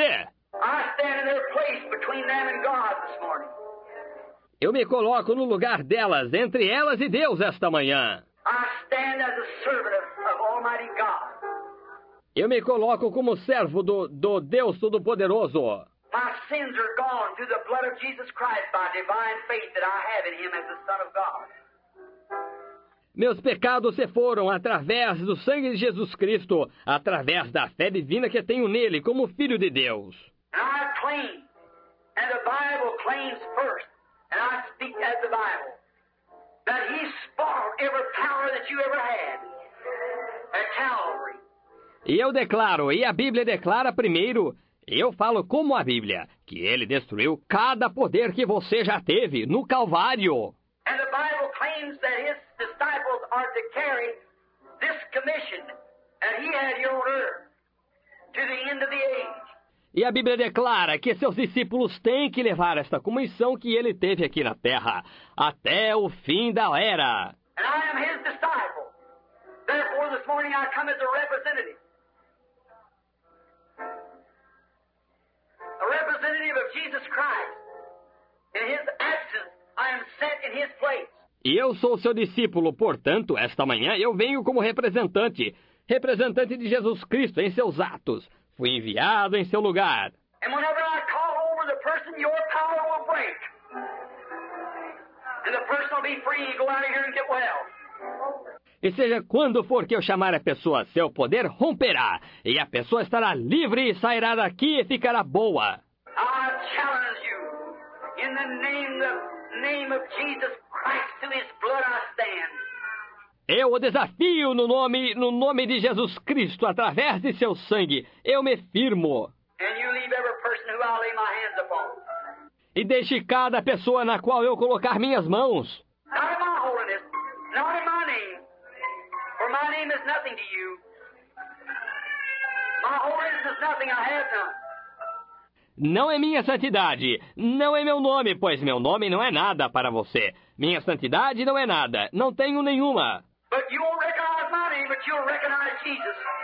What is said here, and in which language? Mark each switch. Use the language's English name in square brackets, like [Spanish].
[English] I stand in their place between them and God this morning. [Portuguese] Eu me coloco no lugar delas, entre elas e Deus esta manhã. [English] I stand as a servant of Almighty God. [Portuguese] Eu me coloco como servo do Deus Todo-Poderoso. [English] My sins are gone through the blood of Jesus Christ by divine faith that I have in Him as the Son of God. [Portuguese] Meus pecados se foram através do sangue de Jesus Cristo, através da fé divina que tenho nele como Filho de Deus. [English] And I claim, and the Bible claims first, and I speak as the Bible, that He spoiled every power that you ever had at Calvary. [Portuguese] E eu declaro, e a Bíblia declara primeiro, eu falo como a Bíblia, que Ele destruiu cada poder que você já teve no Calvário. [English] And the Bible claims that His disciples are to carry this commission that He had here on earth to the end of the age. [Portuguese] E a Bíblia declara que seus discípulos têm que levar esta comissão que Ele teve aqui na Terra até o fim da era. [English] And I am His disciple. Therefore, this morning I come as a representative. A representative of Jesus Christ. In His absence, I am sent in His place. [Portuguese] E eu sou seu discípulo, portanto, esta manhã eu venho como representante, representante de Jesus Cristo em seus atos. Fui enviado em seu lugar. [English] And whenever I call over the person, your power will break. And the person will be free and go out of here and get well. [Portuguese] E seja quando for que eu chamar a pessoa, seu poder romperá, e a pessoa estará livre e sairá daqui e ficará boa. [English] I challenge you, in the name of Jesus Christ, to His blood I stand. [Portuguese] Eu o desafio no nome de Jesus Cristo, através de seu sangue, eu me firmo. [English] And you leave every person who I lay my hands upon. [Portuguese] E deixe cada pessoa na qual eu colocar minhas mãos. [English] Not in my holiness, not in my name. For my name is nothing to you. My holiness is nothing, I have none. [Portuguese] Não é minha santidade, não é meu nome, pois meu nome não é nada para você. Minha santidade não é nada, não tenho nenhuma. [English] But you won't recognize my name, but you'll recognize Jesus.